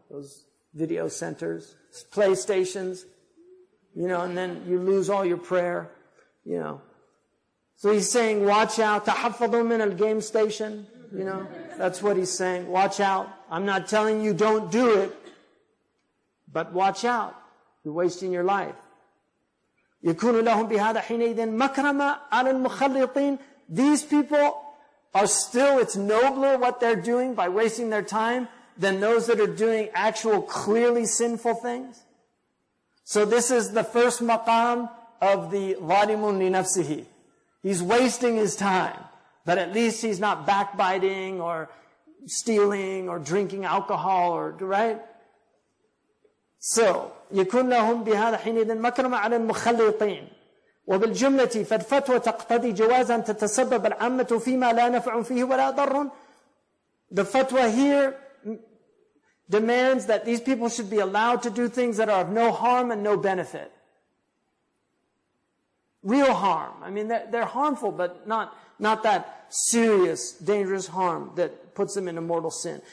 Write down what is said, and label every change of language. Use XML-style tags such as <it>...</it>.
<en>Those video centers, PlayStations, you know, and then you lose all your prayer, you know. So he's saying, watch out.</en> <ar>تحفظوا من الgame station.</ar> <en>You know, that's what he's saying. Watch out. I'm not telling you don't do it, but watch out. You're wasting your life.</en> <ar>يكون لهم بهذا حينئذ مكرمة على المخلطين.</ar> <en>These people are still, it's nobler what they're doing by wasting their time than those that are doing actual clearly sinful things. So this is the first maqam of the</en> <ar>ظالمون لنفسه.</ar> <en>He's wasting his time, but at least he's not backbiting or stealing or drinking alcohol, or right?</en> <ar>So يكون لهم بهذا حينئذ مكرمة على المخلطين وبالجملة فالفتوى تقتضي جوازا تتسبب العامة فيما لا نفع فيه ولا ضر.</ar> <en>The fatwa here demands that these people should be allowed to do things that are of no harm and no benefit. Real harm. I mean, they're harmful, but not that serious, dangerous harm that puts them in a mortal sin.</en>